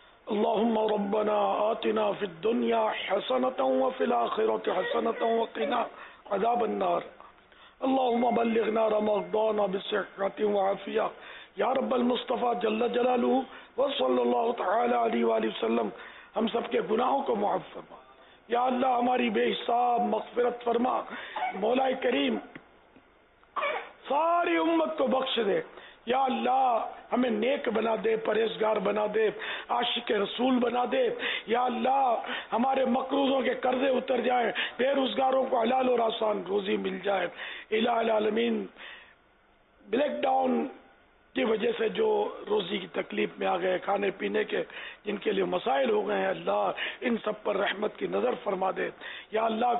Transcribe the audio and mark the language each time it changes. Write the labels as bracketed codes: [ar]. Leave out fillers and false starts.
[ar] اللهم ربنا آتنا في الدنيا حسنة وفي الآخرة حسنة وقنا عذاب النار. اللهم بلغنا رمضان بصحة وعافية يا رب المصطفى جل جلاله، وصلى الله تعالى عليه وآله وسلم. [ur] ہم سب کے گناہوں کو معاف فرما یا اللہ، ہماری بے حساب مغفرت فرما. مولا کریم ساری امت کو بخش دے یا اللہ، ہمیں نیک بنا دے، پرہیزگار بنا دے، عاشق رسول بنا دے یا اللہ. ہمارے مقروضوں کے قرضے اتر جائیں، بے روزگاروں کو حلال اور آسان روزی مل جائے. الہ العالمین، بلیک ڈاؤن کی وجہ سے جو روزی کی تکلیف میں آ گئے، کھانے پینے کے جن کے لیے مسائل ہو گئے ہیں، اللہ ان سب پر رحمت کی نظر فرما دے یا اللہ.